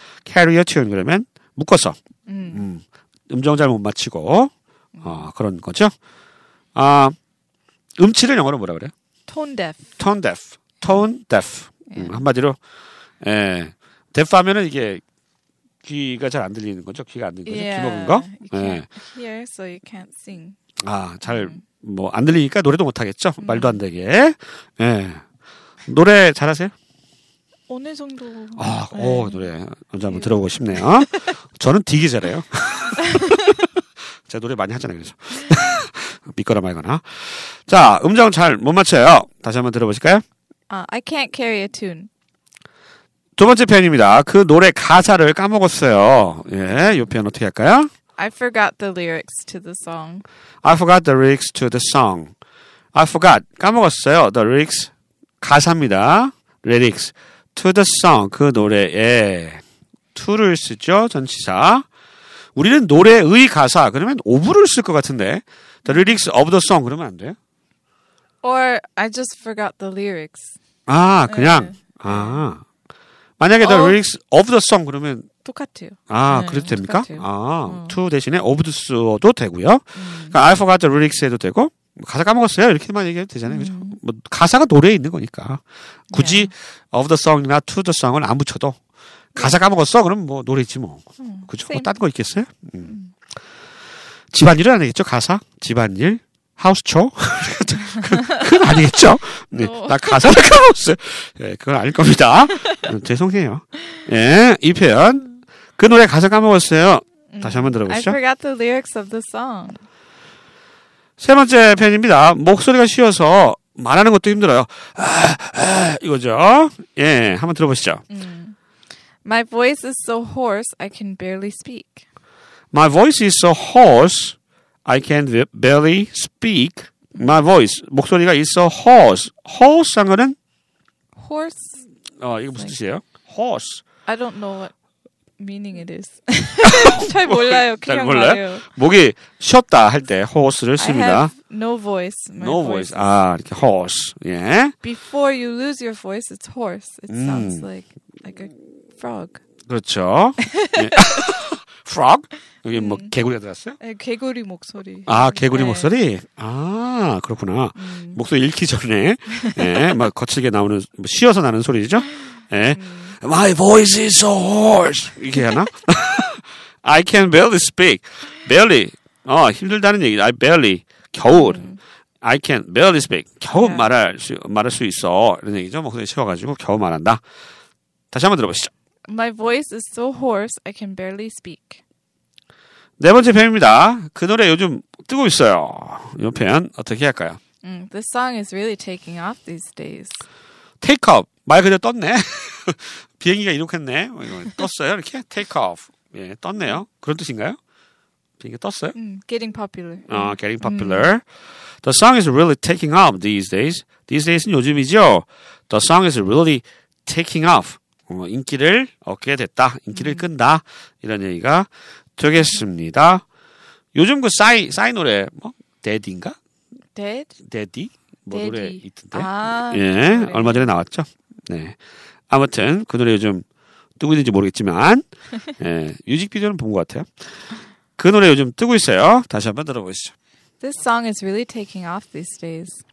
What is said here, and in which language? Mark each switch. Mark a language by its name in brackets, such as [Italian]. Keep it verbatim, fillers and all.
[English] carry a tune [Korean] 그러면 묶어서 음, 음. 음정 잘 못 맞추고. 어, 그런 거죠. 아, 음치를 영어로 뭐라 그래요? [English] tone deaf. tone deaf. tone deaf. 음, 한마디로, 예. [Korean] deaf 하면은 이게 귀가 잘 안 들리는 거죠. 귀가 안 들리는 거죠. [English] Yeah. [Korean] 귀 먹은 거. [English] You can't hear, so you can't sing. [Korean] 아, 잘, 뭐, 안 들리니까 노래도 못하겠죠. 음. 말도 안 되게. 예. 노래 잘하세요? 어느 정도. 아, 네. 오, 노래. 먼저 한번 들어보고 싶네요. 저는 되게 잘해요. 제가 노래 많이 하잖아요. 그래서 믿거나 말거나. 자, 음정 잘 못 맞춰요. 다시 한번 들어보실까요? [English] Uh, I can't carry a tune. [Korean] 두 번째 표현입니다. 그 노래 가사를 까먹었어요. 예, 이 표현 어떻게 할까요? [English] I forgot the lyrics to the song. I forgot the lyrics to the song. I forgot. [Korean] 까먹었어요. [English] The lyrics. [Korean] 가사입니다. [English] lyrics. to the song. [Korean] 그 노래에. to를 쓰죠. 전치사. 우리는 노래의 가사 그러면 오브를 쓸 것 같은데 [English] the lyrics of the song [Korean] 그러면 안 돼요? [English] Or I just forgot the lyrics. [Korean] 아 그냥 네. 아 만약에 어. [English] the lyrics of the song [Korean] 그러면 똑같아요. 아 네, 그래도 됩니까? 똑같아요. 아 어. to 대신에 of도 써도 되고요. 음. 그러니까 [English] I forgot the lyrics [Korean] 해도 되고 가사 까먹었어요 이렇게만 얘기해도 되잖아요. 음. 그죠? 뭐 가사가 노래에 있는 거니까 굳이 네. [English] of the song [Korean] 이나 [English] to the song [Korean] 은 안 붙여도. 가사 까먹었어? 그럼 뭐 노래지 뭐. 음, 그죠? 뭐 다른 거 있겠어요? 음. 음. 집안일은 아니겠죠? 가사? 집안일? 하우스초? 그건 아니겠죠? 네, 어. 나 가사를 까먹었어요. 네, 그건 아닐 겁니다. 음, 죄송해요. 예, 이 표현. 그 노래 가사 까먹었어요. 다시 한번 들어보시죠. [English] I forgot the lyrics of the song. [Korean] 세 번째 표현입니다. 목소리가 쉬어서 말하는 것도 힘들어요. 아, 아, 이거죠? 예, 한번 들어보시죠. 음. [English] My voice is so hoarse, I can barely speak. My voice is so hoarse, I can barely speak. My voice, [Korean] 목소리가 [English] is so hoarse. [Korean] Hoarse 한 거는? [English] Hoarse? [Korean] 어, 이거 무슨 뜻이에요? Hoarse. [English] I don't know what meaning it is. [Korean] 잘 몰라요. 잘 그냥 몰라요? 말해요. 목이 쉬었다 할 때 hoarse를 씁니다. [English] I have no voice. My no voice. voice. [Korean] 아, 이렇게 hoarse. 예. [English] Before you lose your voice, it's hoarse. It 음. sounds like, like a... frog. [Korean] 그렇죠. 예. frog? 여기 뭐 음. 개구리가 들었어요? 네, 개구리 목소리. 아, 개구리 네. 목소리? 아, 그렇구나. 음. 목소리 잃기 전에 예, 막 거칠게 나오는 쉬어서 나는 소리죠? [English] 예. 음. My voice is so hoarse. [Korean] 이게 하나? [English] I can barely speak. barely. 어, [Korean] 힘들다는 얘기. [English] I barely. 겨우. 음. I can barely speak. [Korean] 겨우 네. 말할 수 말할 수 있어. 이런 얘기죠. 목소리 쉬워 가지고 겨우 말한다. 다시 한번 들어보시죠. [English] My voice is so hoarse, I can barely speak. [Korean] 네 번째 표현입니다. 그 노래 요즘 뜨고 있어요. 이 표현 어떻게 할까요? [English] Mm, this song is really taking off these days. Take up. [Korean] 말 그대로 떴네. 비행기가 이륙했네. 떴어요. 이렇게 [English] take off. [Korean] 예, 떴네요. 그런 뜻인가요? 비행기 떴어요? [English] 음, getting popular. 아, getting popular. 음. The song is really taking off these days. [Korean] These days는 요즘이죠. [English] The song is really taking off. [Korean] 어, 인기를 얻게 됐다. 인기를 음. 끈다. 이런 얘기가 되겠습니다. 요즘 그 싸이, 싸이 노래, 뭐? 데디인가? 데디? 데디? 뭐 데디. 노래 있던데. 아, 예, 그래. 얼마 전에 나왔죠. 네. 아무튼, 그 노래 요즘 뜨고 있는지 모르겠지만, 예, 뮤직비디오는 본 것 같아요. 그 노래 요즘 뜨고 있어요. 다시 한번 들어보시죠. [English] This song is really taking off these days.